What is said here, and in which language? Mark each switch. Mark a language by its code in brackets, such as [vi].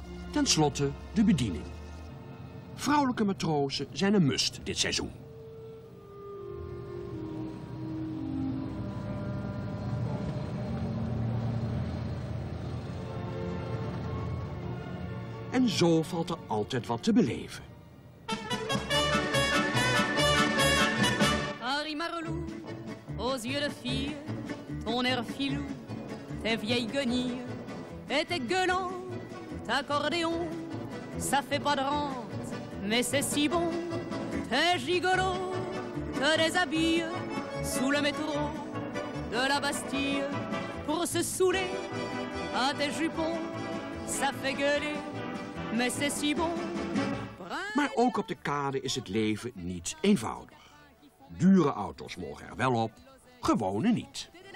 [nl] Ten slotte de bediening. Vrouwelijke matrozen zijn een must dit seizoen. En zo valt er altijd wat te beleven. [fr] Harry Marlou, aux yeux de fille, ton air filou, tes vieilles guenilles et tes gueulants. T'accordéon, ça fait pas de rente, mais c'est si bon. T'es gigolo, te déshabille sous le métro de la Bastille. Pour se saouler à tes jupons, ça fait gueuler, mais c'est si bon. [nl] Maar ook op de kade is het leven niet eenvoudig. Dure auto's mogen er wel op, gewone niet.